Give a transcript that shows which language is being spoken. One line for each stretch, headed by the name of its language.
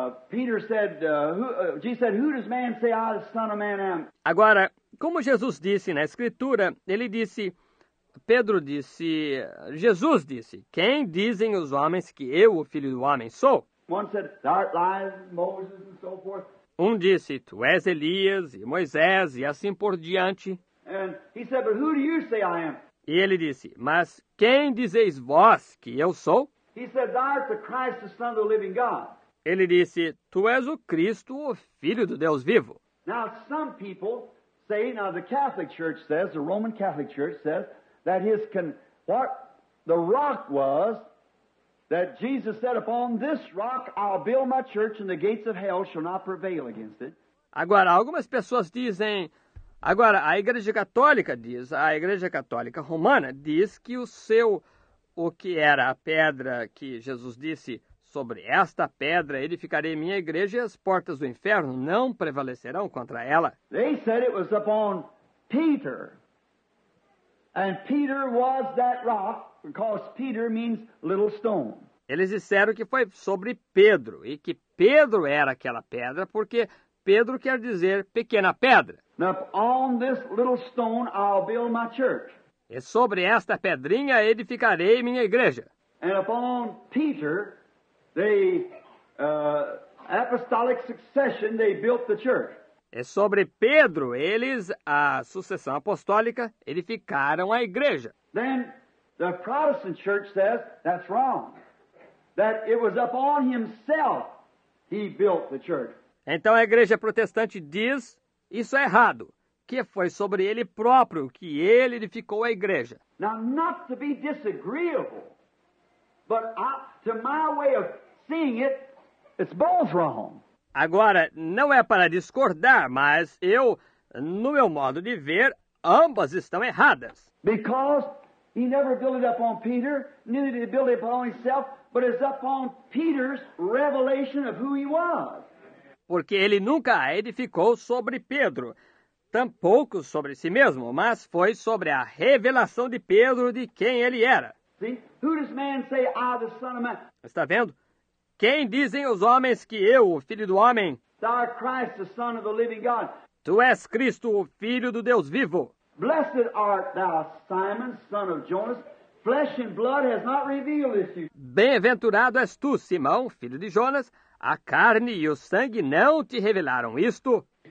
English: Peter said, Jesus said, who does man say I, the Son of Man, am?
Portuguese: Agora, como Jesus disse na Escritura, ele disse, Pedro disse, Jesus disse, quem dizem os homens que eu, o Filho do Homem, sou?
English: One said, thou art Elias, Moses, and so forth.
Portuguese: Um disse, tu és Elias, e Moisés, e assim por diante.
English: And he said, but who do you say I am?
Portuguese: E ele disse, mas quem dizeis vós que eu sou?
English: He said, thou art the Christ, the Son of the living God.
Portuguese: Ele disse, tu és o Cristo, o Filho do Deus vivo.
English: Now, some people say, now the Catholic Church says, the Roman Catholic Church says, that his, what the rock was, that Jesus said, upon this rock I'll build my church, and the gates of hell shall not prevail against it.
Portuguese: Agora, algumas pessoas dizem, agora, a Igreja Católica diz, a Igreja Católica Romana diz que o seu, o que era a pedra que Jesus disse, sobre esta pedra edificarei minha igreja e as portas do inferno não prevalecerão contra ela.
English: They said it was upon Peter. And Peter was that rock, because Peter means little stone.
Portuguese: Eles disseram que foi sobre Pedro e que Pedro era aquela pedra, porque Pedro quer dizer pequena pedra.
English: Now, on this little stone I'll build my church.
Portuguese: E sobre esta pedrinha edificarei minha igreja.
English: And upon Peter, the apostolic succession, they built the church.
Portuguese: E sobre Pedro, eles, a sucessão apostólica, edificaram a igreja.
English: Then the Protestant church says that's wrong. That it was upon himself he built the church.
Portuguese: Então a igreja protestante diz, isso é errado, que foi sobre ele próprio que ele edificou a igreja.
English: Now, not to be disagreeable, but to my way of seeing it, it's both wrong.
Portuguese: Agora, não é para discordar, mas eu, no meu modo de ver, ambas estão erradas.
English: Because he never built it upon Peter, neither did he build it upon himself, but it's upon Peter's revelation of who he was.
Portuguese: Porque ele nunca edificou sobre Pedro, tampouco sobre si mesmo, mas foi sobre a revelação de Pedro de quem ele era.
English: See? Who does man say, I, the Son of Man?
Portuguese: Está vendo? Quem dizem os homens que eu, o Filho do Homem?
English: Thou art Christ, the Son of the living God.
Portuguese: Tu és Cristo, o Filho do Deus vivo.
English: Blessed art thou, Simon, son of Jonas. Flesh and blood has not revealed this to you.
Portuguese: Bem-aventurado és tu, Simão, filho de Jonas. A carne e o sangue não te revelaram isto?